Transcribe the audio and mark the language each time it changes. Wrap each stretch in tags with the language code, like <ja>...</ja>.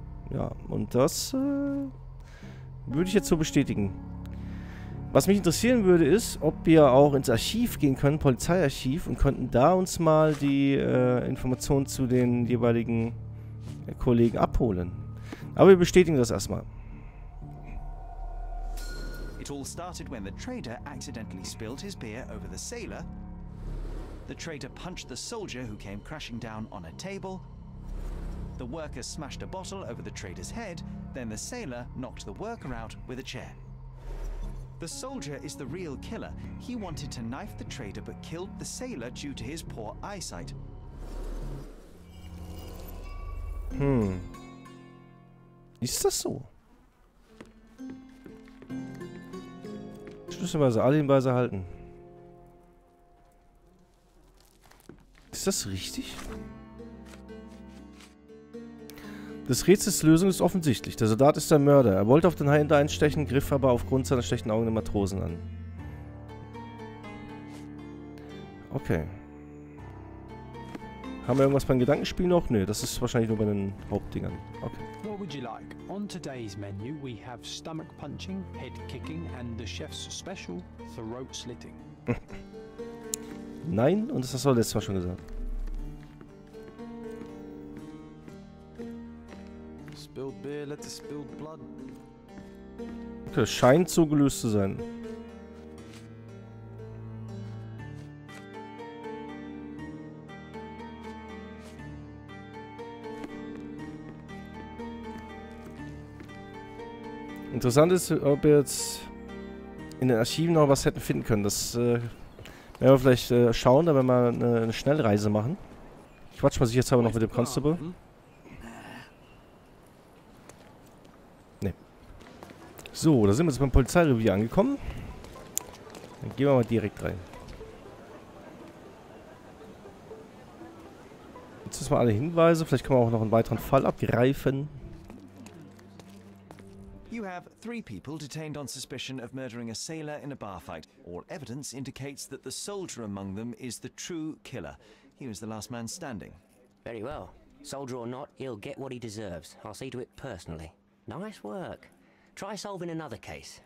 <de>Ja, und das würde ich jetzt so bestätigen. Was mich interessieren würde, ist, ob wir auch ins Archiv gehen können, Polizeiarchiv, und könnten da uns mal die Informationen zu den jeweiligen Kollegen abholen. Aber wir bestätigen das erstmal.</de> <en>It all started when the trader accidentally spilled his beer over the sailor. The trader punched the soldier who came crashing down on a table. The worker smashed a bottle over the trader's head, then the sailor knocked the worker out with a chair. The soldier is the real killer. He wanted to knife the trader but killed the sailor due to his poor eyesight.</en> <de>Ist das so? Schlüsselweise alle Hinweise halten. Ist das richtig? Des Rätsels Lösung ist offensichtlich. Der Soldat ist der Mörder. Er wollte auf den Highender einstechen, griff aber aufgrund seiner schlechten Augen den Matrosen an. Okay. Haben wir irgendwas beim Gedankenspiel noch? Nö, das ist wahrscheinlich nur bei den Hauptdingern.</de> <en>Okay. What would you like? On today's menu we have stomach punching, head kicking and the chef's special throat slitting.</en> <de>Nein, und das hast du letztes Mal schon gesagt. Okay, das scheint so gelöst zu sein. Interessant ist, ob wir jetzt in den Archiven noch was hätten finden können. Das werden wir vielleicht schauen, da werden wir eine Schnellreise machen. Ich quatsch mal sich jetzt aber noch mit dem Constable. So, da sind wir jetzt beim Polizeirevier angekommen. Dann gehen wir mal direkt rein. Jetzt müssen wir alle Hinweise. Vielleicht können wir auch noch einen weiteren Fall abgreifen.</de> <en>You have three people detained on suspicion of murdering a sailor in a bar fight. All evidence indicates that the soldier among them is the true killer. He was the last man standing. Very well. Soldier or not, he'll get what he deserves. I'll see to it personally. Nice work. Try solving another case.</en>